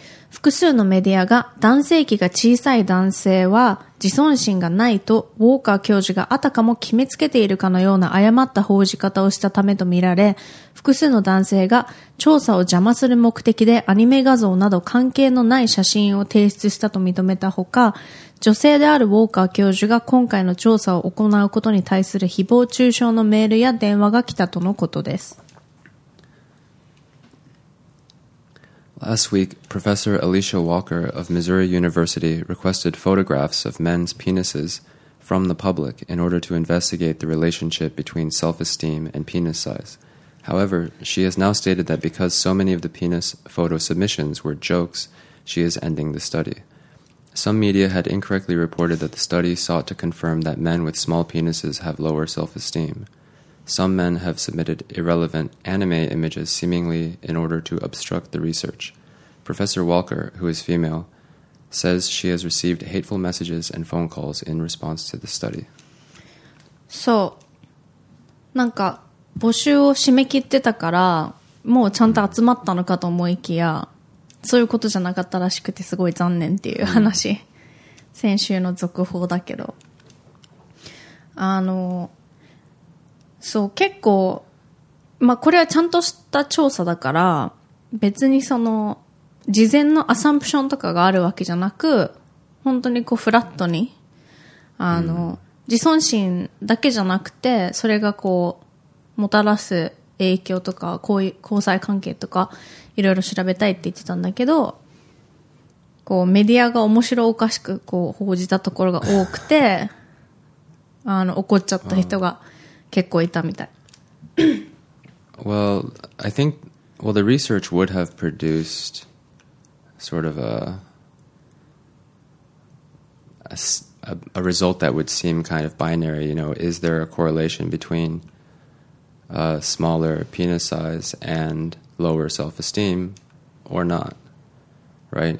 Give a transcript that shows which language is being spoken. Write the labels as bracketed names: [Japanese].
[Japanese] 複数のメディアが男性器が小さい男性は自尊心がないとウォーカー教授があたかも決めつけているかのような誤った報じ方をしたためとみられ、複数の男性が調査を邪魔する目的でアニメ画像など関係のない写真を提出したと認めたほか、女性であるウォーカー教授が今回の調査を行うことに対する誹謗中傷のメールや電話が来たとのことです。 [English] Last week, Professor Alicia Walker of Missouri University requested photographs of men's penises from the public in order to investigate the relationship between self-esteem and penis size. However, she has now stated that because so many of the penis photo submissions were jokes, she is ending the study. Some media had incorrectly reported that the study sought to confirm that men with small penises have lower self-esteem. Some men have submitted irrelevant anime images seemingly in order to obstruct the research. Professor Walker, who is female, says she has received hateful messages and phone calls in response to the study. [Japanese] そう、なんか募集を締め切ってたからもうちゃんと集まったのかと思いきや、そういうことじゃなかったらしくてすごい残念っていう話、先週の続報だけど、あの、そう、結構、まあ、これはちゃんとした調査だから別にその事前のアサンプションとかがあるわけじゃなく、本当にこうフラットに、あの、自尊心だけじゃなくてそれがこうもたらす影響とか交際関係とかいろいろ調べたいって言ってたんだけど、こうメディアが面白おかしくこう報じたところが多くてあの怒っちゃった人が結構いたみたい。 [English] Well, I think, well, the research would have produced sort of a result that would seem kind of binary. You know, is there a correlation between a smaller penis size and lower self-esteem or not? Right?